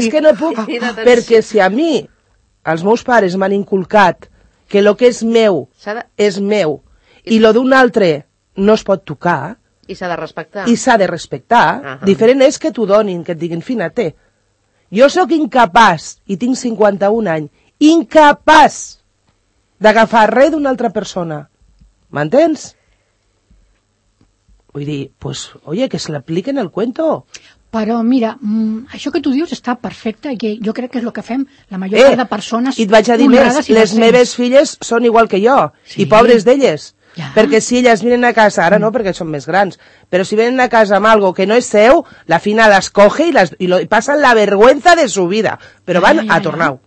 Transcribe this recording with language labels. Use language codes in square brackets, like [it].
[ca] És que no puc, perquè si a mi els meus pares m'han inculcat que el que és meu és meu i el d'un altre no es pot tocar... I s'ha de respectar. Diferent és que t'ho donin, que et diguin, fina, té. Jo sóc incapaç, i tinc 51 anys, incapaç d'agafar res d'una altra persona. M'entens? Vull dir, [es] pues, oye, que se l'apliquen el cuento. [ca] Però, mira, això que tu dius està perfecte, que jo crec que és el que fem la major part de persones. I et vaig a dir més, les meves filles són igual que jo, sí. I pobres d'elles. Ja. Perquè si elles vinen a casa, ara no, perquè són més grans, però si vinen a casa amb algo que no és seu, la fina [es] les coge [ca] i passen [es] la vergüenza de su vida, [ca] però van a tornar-ho.